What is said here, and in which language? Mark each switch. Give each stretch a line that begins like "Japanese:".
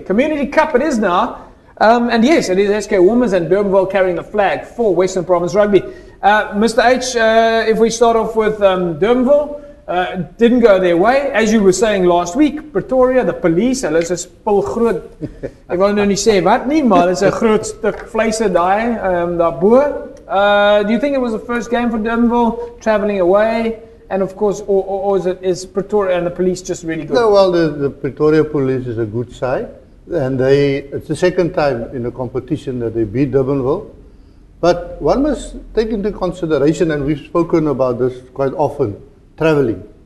English: Community Cup it is now. And yes, it is SK Women's and Durbanville carrying the flag for Western Province Rugby. Mr. H, if we start off with Durbanville, didn't go their way. As you were saying last week, Pretoria, the police,
Afrikaans: hulle is 'n spul groot. Ek wil nou nie sê wat nie, maar is 'n groot stuk vleise daai, daarbo.
English: Do you think it was the first game for Durbanville, travelling away? And of course, or is Pretoria and the police just really good? No, well, the Pretoria police is a good side. And it's the second time in a competition that they beat Durbanville. But one must take into consideration, and we've spoken about this quite often, traveling.